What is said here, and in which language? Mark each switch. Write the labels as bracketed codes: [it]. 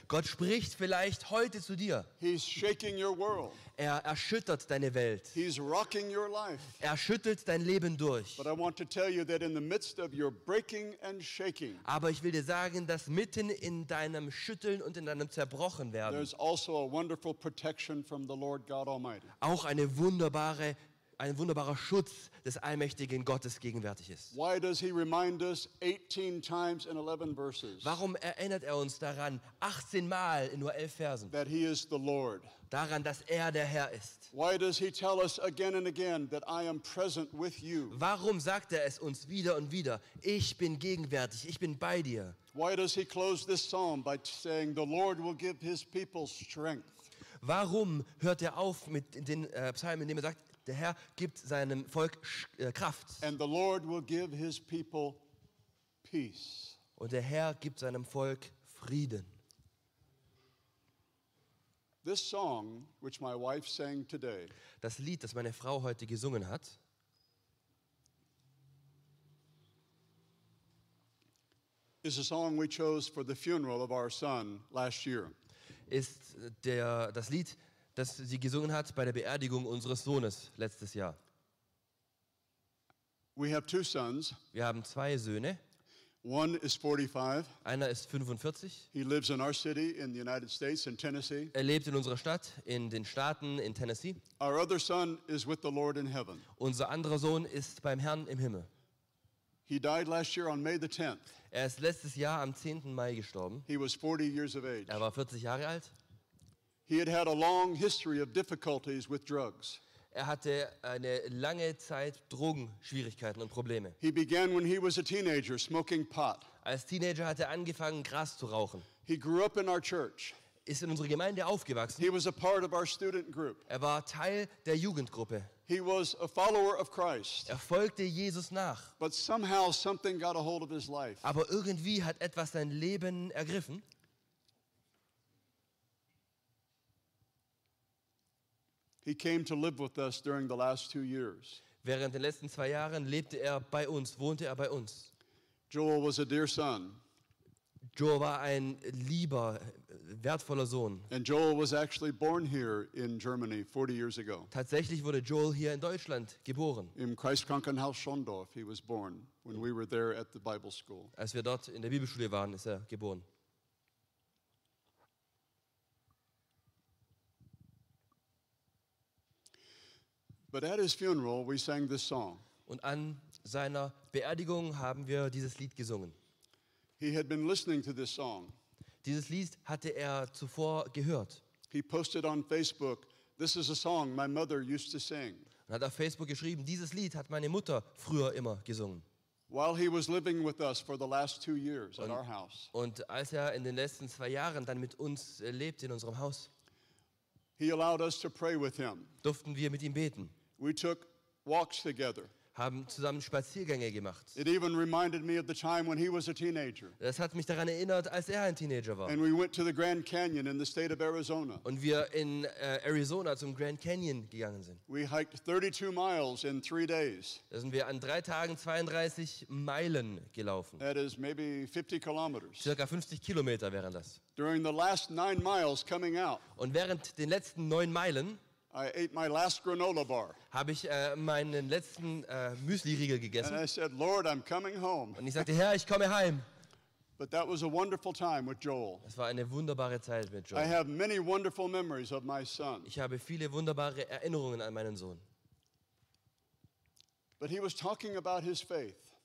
[de] Gott spricht vielleicht heute zu dir. [en] He's shaking your world. [de] Er erschüttert deine Welt. [en] He's rocking your life. [de] Er schüttelt dein Leben durch. [en] But I want to tell you that in the midst of your breaking and shaking. [de] Aber ich will dir sagen, dass mitten in deinem Schütteln und in deinem Zerbrochenwerden. [en] There's also a wonderful protection from the Lord God Almighty. [de] Auch eine wunderbare ein wunderbarer Schutz des allmächtigen Gottes gegenwärtig ist. [en] Why does he remind us 18 times in 11 verses? [de] Warum erinnert er uns daran 18 Mal in nur 11 Versen? [en] That he is the Lord. [de] Daran, dass er der Herr ist. [en] Why does he tell us again and again that I am present with you? [de] Warum sagt er es uns wieder und wieder? Ich bin gegenwärtig, ich bin bei dir. [en] Why does he close this psalm by saying the Lord will give his people strength? [de] Warum hört er auf mit den Psalmen, in denen er sagt, der Herr gibt seinem Volk Kraft. [en] And the Lord will give his people peace. [de] Und der Herr gibt seinem Volk Frieden. [en] This song, which my wife sang today, [de] das Lied, das meine Frau heute gesungen hat, [en] is a song we chose for the funeral of our son last year. [de] Ist das Lied, das sie gesungen hat bei der Beerdigung unseres Sohnes letztes Jahr. [en] We have two sons. [de] Wir haben zwei Söhne. [en] One is 45. [de] Einer ist 45. [en] He lives in our city in the United States in Tennessee. [de] Er lebt in unserer Stadt in den Staaten in Tennessee. [en] Our other son is with the Lord in heaven. [de] Unser anderer Sohn ist beim Herrn im Himmel. [en] He died last year on May the 10th. [de] Er ist letztes Jahr am 10. Mai gestorben. [en] He was 40 years of age. [de] Er war 40 Jahre alt. [en] He had had a long history of difficulties with drugs. [de] Er hatte eine lange Zeit Drogenschwierigkeiten und Probleme. [en] He began when he was a teenager smoking pot. [de] Als Teenager hatte er angefangen, Gras zu rauchen. [en] He grew up in our church. [de] ist in unserer Gemeinde aufgewachsen. [en] He was a part of our student group. [de] Er war Teil der Jugendgruppe. [en] He was a follower of Christ. [de] Er folgte Jesus nach. [en] But somehow something got a hold of his life. [de] Aber irgendwie hat etwas sein Leben ergriffen. [en] He came to live with us during the last 2 years. [de] Während den letzten 2 Jahren lebte er bei uns, wohnte er bei uns. [en] Joel was a dear son. [de] Joel war ein lieber, wertvoller Sohn. [en] And Joel was actually born here in Germany 40 years ago. [de] Tatsächlich wurde Joel hier in Deutschland geboren. Im Kreiskrankenhaus Schondorf [en] he was born when we were there at the Bible school. [de] Als wir dort in der Bibelschule waren, ist er geboren. [en] But at his funeral we sang this song. [de] Und an seiner Beerdigung haben wir dieses Lied gesungen. [en] He had been listening to this song. [de] Dieses Lied hatte er zuvor gehört. [en] He posted on Facebook, "This is a song my mother used to sing." [de] Und hat auf Facebook geschrieben, dieses Lied hat meine Mutter früher immer gesungen. [en] While he was living with us for the last 2 years at our house. [de] Und als er in den letzten 2 Jahren dann mit uns lebt in unserem Haus. [en] He allowed us to pray with him. [de] Durften wir mit ihm beten. [en] We took walks together. [de] Haben zusammen Spaziergänge gemacht. [en] It even reminded me of the time when he was a teenager. [de] Das hat mich daran erinnert, als er ein Teenager war. [en] And we went to the Grand Canyon in the state of Arizona. [de] Und wir in Arizona zum Grand Canyon gegangen sind. [en] We hiked 32 miles in 3 days. [de] Da sind wir an 3 Tagen 32 Meilen gelaufen. [en] That is maybe 50 kilometers. [de] Circa 50 Kilometer wären das. [en] During the last 9 miles coming out. [de] Und während den letzten 9 Meilen. [en] I ate my last granola bar. [de] Habe ich meinen letzten Müsli-Riegel gegessen. [en] And I said, "Lord, I'm coming home." [de] Und ich sagte, Herr, ich komme heim. [en] But that was a wonderful time with Joel. [de] Es war eine wunderbare Zeit mit Joel. [en] I have many wonderful memories of my son. [de] Ich habe viele wunderbare Erinnerungen an meinen Sohn. [en] But he was talking about his faith.